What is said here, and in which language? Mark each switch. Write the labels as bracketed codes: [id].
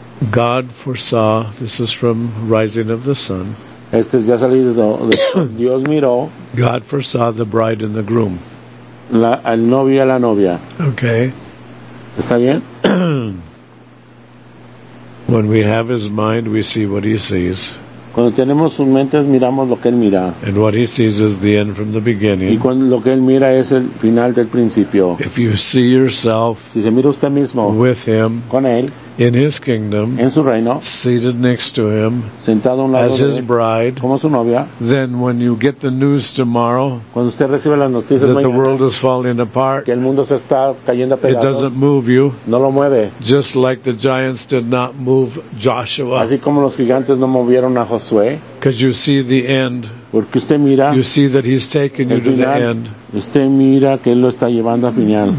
[en] God foresaw, this is from Rising of the Sun. [es] Este es ya salido. Dios miró. [en] God foresaw the bride and the groom. [es] La, el novio y la novia. [en] Okay. [es] ¿Está bien? [en] When we have his mind, we see what he sees. [es] Cuando tenemos sus mentes, miramos lo que él mira. [en] And what he sees is the end from the beginning. [es] Y cuando, lo que él mira es el final del principio. [en] If you see yourself [es] si se mira usted mismo [en] with him, [es] con él, [en] in his kingdom, [es] en su reino, [en] seated next to him, [es] sentado a un lado [en] as his bride, [es] como su novia, [en] then when you get the news tomorrow, [es] cuando usted recibe las noticias [en] that mañana, the world is falling apart, [es] que el mundo se está cayendo a pedazos, [en] it doesn't move you, [es] no lo mueve, [en] just like the giants did not move Joshua, [es] así como los gigantes no movieron a Josué, [en] because you see the end, [es] porque usted mira, [en] you see that he's taken you [es] final, [en] to the end. [es] Usted mira que él lo está llevando al final.